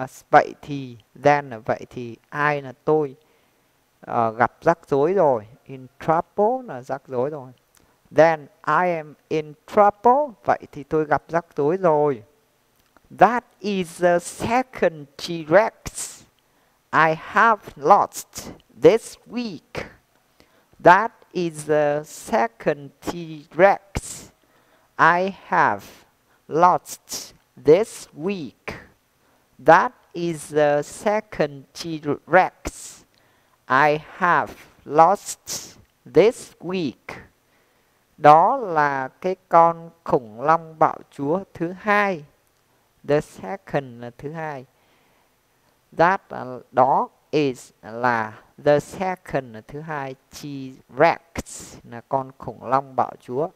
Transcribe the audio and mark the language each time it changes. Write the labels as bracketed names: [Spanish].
[Vietnamese] Vậy thì, then là vậy thì, I là tôi, gặp rắc rối rồi. [English] In trouble [Vietnamese] là rắc rối rồi. [English] Then I am in trouble. [Vietnamese] Vậy thì tôi gặp rắc rối rồi. [English] That is the second T-Rex I have lost this week. That is the second T-Rex I have lost this week. That is the second T-Rex I have lost this week. [Vietnamese] Đó là cái con khủng long bạo chúa thứ hai. [English] The second [Vietnamese] là thứ hai. That là, đó is là [English] the second [Vietnamese] là thứ hai. T-Rex là con khủng long bạo chúa.